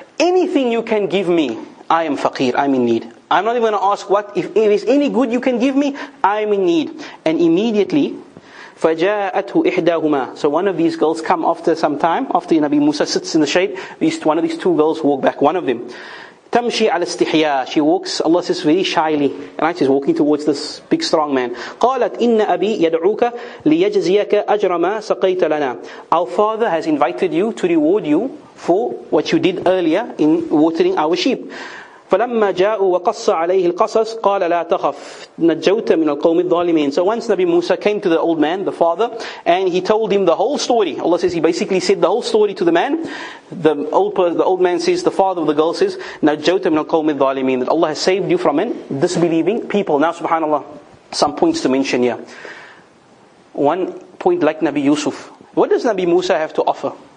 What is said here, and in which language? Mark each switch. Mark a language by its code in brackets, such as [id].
[en] anything you can give me, I am faqir, I'm in need. I'm not even going to ask what, if it is any good you can give me, I'm in need. And immediately, [ar] فَجَاءَتْهُ إِحْدَاهُمَا. [en] So one of these girls come after some time, after Nabi Musa sits in the shade, one of these two girls walk back, one of them. [ar] تمشي على استحياء. [en] She walks, Allah says, very shyly. Right? She's walking towards this big strong man. [ar] قالت إن أبي يدعوك ليجزيك أجر ما سقيت لنا. [en] Our father has invited you to reward you for what you did earlier in watering our sheep. [ar] فلما جاءوا وقص عليه القصص قال لا تخف نجوت من القوم الظالمين. [en] So once Nabi Musa came to the old man, the father, and he told him the whole story. Allah says, he basically said the whole story to the man. The old man says, the father of the girl says, [ar] نجوت من القوم الظالمين, [en] that Allah has saved you from a disbelieving people. Now subhanAllah, some points to mention here. One point, like Nabi Yusuf, what does Nabi Musa have to offer?